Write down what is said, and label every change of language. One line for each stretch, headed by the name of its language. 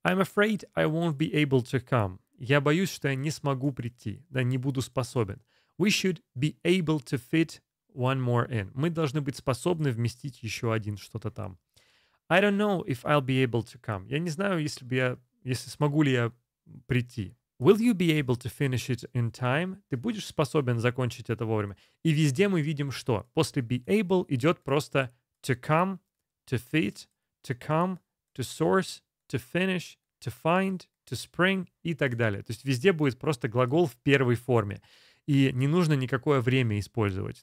English: I'm afraid I won't be able to come.
Russian: Я боюсь, что я не смогу прийти, да, не буду способен.
English: We should be able to fit one more in.
Russian: Мы должны быть способны вместить еще один что-то там.
English: I don't know if I'll be able to come.
Russian: Я не знаю, если смогу ли я прийти.
English: Will you be able to finish it in time?
Russian: Ты будешь способен закончить это вовремя? И везде мы видим, что после be able идет просто to come, to fit, to come, to source, to finish, to find, to spring и так далее. То есть везде будет просто глагол в первой форме. И не нужно никакое время использовать.